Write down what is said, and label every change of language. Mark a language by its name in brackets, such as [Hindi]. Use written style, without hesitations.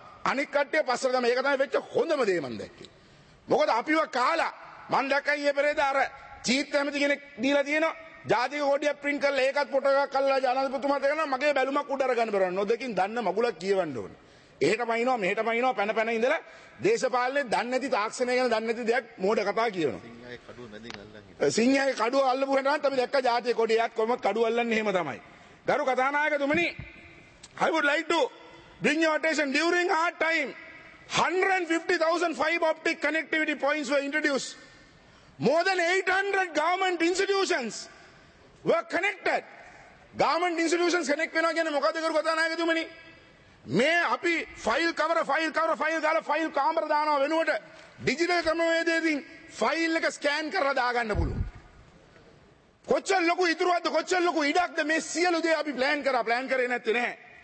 [Sinhala] අනික් කට්ටිය පස්සට ගම. ඒක තමයි වෙච්ච හොඳම දේ මම දැක්කේ. මොකද අපිව කාලා මම දැක්කයි මේ පෙරේද අර චීත් ඇමති කෙනෙක් දීලා තියෙනවා ජාතික කෝඩියක් print කරලා ඒකත් ෆොටෝ එකක් අල්ලලා ජනාධිපතිතුමාට දෙනවා මගේ බැලුමක් උඩ අරගෙන බලන්න. නොදකින් දන්න මගුලක් කියවන්න ඕනේ. එහෙටම අිනවා මෙහෙටම අිනවා පැන පැන ඉඳලා දේශපාලනේ දන්නේ නැති තාක්ෂණය ගැන දන්නේ නැති දෙයක් මෝඩ කතා කියනවා. සිංහයාගේ කඩුව අල්ලපු හැටනම් අපි දැක්ක ජාතික කෝඩියක් කොහොමද කඩුව අල්ලන්නේ එහෙම තමයි. ගරු කතානායකතුමනි, [English] I would like to bring your attention during hard time 150,000 fiber optic connectivity points were introduced. More than 800 government institutions were connected. Government institutions connect [Sinhala] වෙනවා කියන්නේ මොකද කරු කතානායකතුමනි? මේ අපි ෆයිල් කවර ෆයිල් කවර ෆයිල් ගාලා ෆයිල් කාමර දානවා වෙනුවට ඩිජිටල් ක්‍රමවේදයෙන් ෆයිල් එක ස්කෑන් කරලා දාගන්න පුළුවන්. කොච්චර ලොකු ඉතුරුවක්ද, කොච්චර ලොකු ඉඩක්ද මේ සියලු දේ අපි plan කරා, plan කරේ නැත්තේ නැහැ.